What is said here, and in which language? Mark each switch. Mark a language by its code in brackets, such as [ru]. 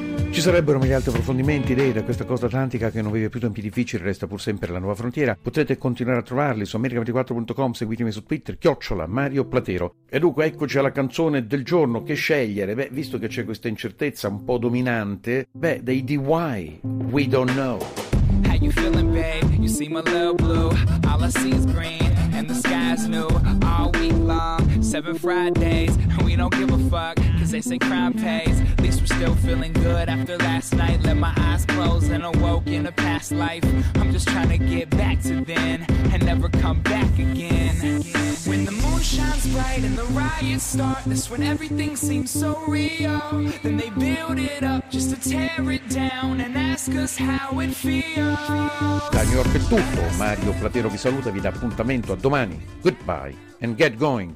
[it] Ci sarebbero mille altri approfondimenti, idee da questa cosa atlantica che non vive più tempi difficili, resta pur sempre la nuova frontiera. Potete continuare a trovarli su america24.com, seguitemi su Twitter, @ Mario Platero. E dunque eccoci alla canzone del giorno. Che scegliere? Beh, visto che c'è questa incertezza un po' dominante, beh, dei DY, We Don't Know. [en] How you feeling, babe? You see my little blue. All I see is green and the sky's new. All week long, 7 Fridays, we don't give a fuck. They say crime pays. At least we're still feeling good after last night. Let my eyes close and awoke in a past life. I'm just trying to get back to then and never come back again. When the moon shines bright and the riots start, that's when everything seems so real. Then they build it up just to tear it down and ask us how it feels. [it] Da New York è tutto. Mario Platero vi saluta, vi dà appuntamento a domani. [en] Goodbye and get going.